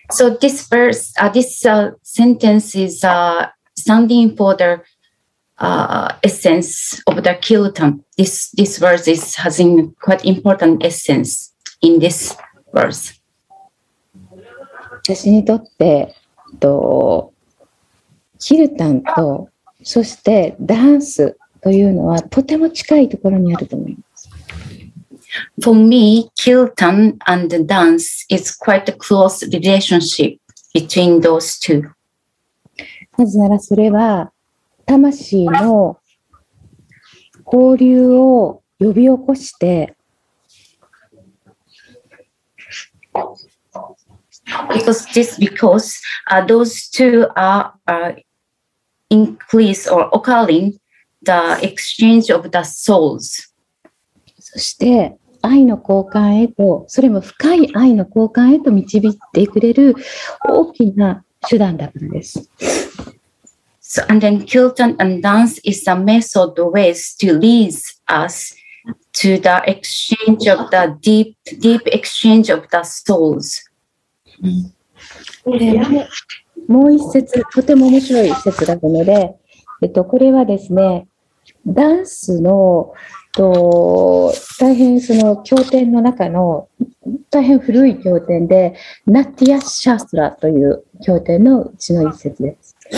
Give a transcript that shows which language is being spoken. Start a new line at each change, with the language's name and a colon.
English: So this verse, sentence is standing for the essence of the kirtan. This verse is having quite important essence in this verse.
Japanese: 私にとってとキルタンとそしてダンスというのはとても近いところにあると思います。
English: For me, kirtan and dance is quite a close relationship between those two.
Japanese: なぜならそれは魂の交流を呼び起こして
English: because those two are increase or occurring the exchange of the souls.
Japanese: そして愛の交換へと、それも深い愛の交換へと導いてくれる大きな手段だったんです。
English: So, and then kirtan and dance is a method ways to lead us to the exchange of the deep, deep exchange of the souls.
Japanese: もう一節、とても面白い一節だったので、これはですね、ダンスの、大変その経典の中の大変古い経典で、ナティア・シャストラという経典のうちの一節です。